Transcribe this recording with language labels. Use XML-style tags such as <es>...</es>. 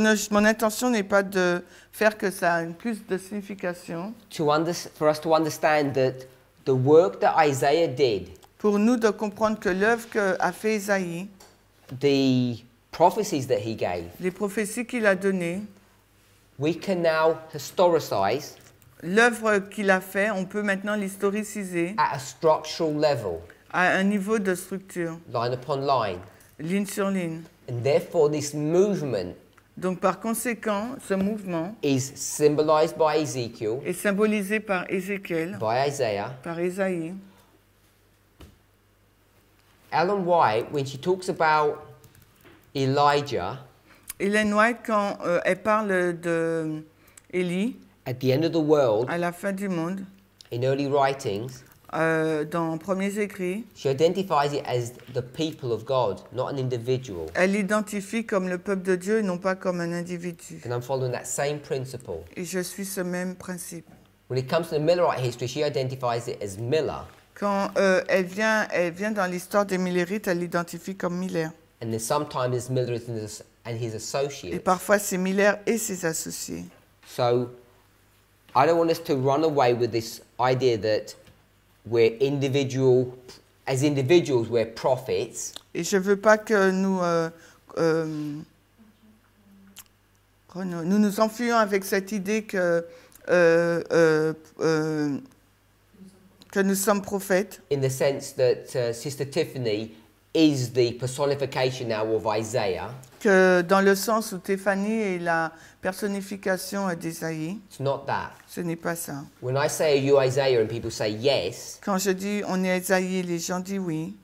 <fr>Mon intention n'est pas de faire que ça ait plus de signification.</fr> <en>For us to understand that the work that Isaiah did,</en> <fr>pour nous de comprendre que l'œuvre que a fait Isaïe,</fr> <en>the prophecies that he gave,</en> <fr>les prophéties qu'il a données,</fr> <en>we can now historicize,</en> <fr>l'œuvre qu'il a fait, on peut maintenant l'historiciser,</fr> <en>at a structural level,</en> <fr>à un niveau de structure,</fr> <en>line upon line,</en> <fr>ligne sur ligne,</fr> <en>and therefore this movement,</en> <fr>donc par conséquent, ce mouvement</fr> <en>is symbolized by Ezekiel,</en> <fr>est symbolisé par Ézéchiel,</fr> <en>by Isaiah,</en> <fr>par Isaïe.</fr> <en>Ellen White, when she talks about Elijah,</en> <fr>Ellen White, quand elle parle de Élie,</fr> <en>at the end of the world,</en> <fr>à la fin du monde,</fr> <en>in early writings,</en> <fr>dans premiers écrits,</fr> <en>she identifies it as the people of God, not an individual.</en> <fr>Elle l'identifie comme le peuple de Dieu et non pas comme un individu.</fr> <en>And I'm following that same principle.</en> <fr>Et je suis ce même principe.</fr> <en>When it comes to the Millerite history, she identifies it as Miller.</en> <fr>Quand elle vient dans l'histoire des Millerites, elle l'identifie comme Miller.</fr> <en>And then sometimes it's Miller and his associates.</en> <fr>Et parfois c'est Miller et ses associés.</fr> <en>So, I don't want us to run away with this idea that we're individual, as individuals, we're prophets.</en> <fr>Et je veux pas que nous enfuyons avec cette idée que nous sommes prophètes.</fr> <en>In the sense that Sister Tiffany is the personification now of Isaiah.</en> <fr>Que dans le sens où Tiffany est la personnification d'Isaïe.</fr> <en>It's not that.</en> <fr>Ce n'est pas ça.</fr> <en>When I say, are you Isaiah, and people say yes,</en> <fr>quand je dis on est Isaïe, les gens disent oui.</fr>